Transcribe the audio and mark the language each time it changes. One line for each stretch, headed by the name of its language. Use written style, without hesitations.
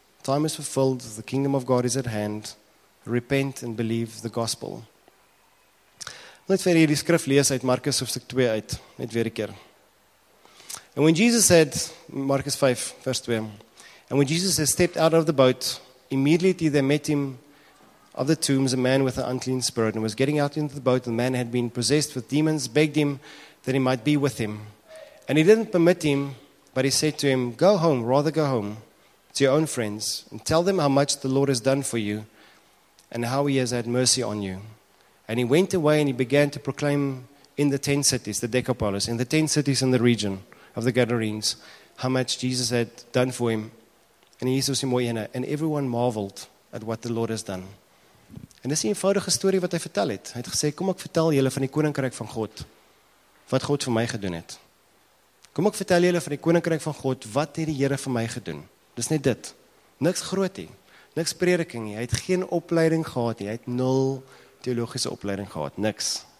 English: Time is fulfilled, the kingdom of God is at hand. Repent and believe the gospel. Let's read
Afrikaans: hierdie skrif lees uit Markus hoofstuk 2 uit, net weer 'n keer.
English: And when Jesus had, Markus 5 vers 2, and when Jesus had stepped out of the boat, immediately they met him of the tombs, a man with an unclean spirit, and was getting out into the boat, the man had been possessed with demons, begged him that he might be with him. And he didn't permit him, but he said to him, go home to your own friends, and tell them how much the Lord has done for you, and how he has had mercy on you. And he went away and he began to proclaim in the 10 cities, the Decapolis, in the 10 cities in the region of the Gadarenes, how much Jesus had done for him. And he was in Moena, and everyone marveled at what the Lord has done. And this is a eenvoudige story
Afrikaans: wat hy vertel het. Hy het gesê, kom ek vertel julle van die koninkryk van God, wat God vir my gedoen het. Kom ek vertel julle van die koninkryk van God, wat het die Here vir my gedoen. Dis net dit. Niks groot nie. Niks prediking nie. Hy het geen opleiding gehad nie. Hy het nul theologische opleiding gehad, niks.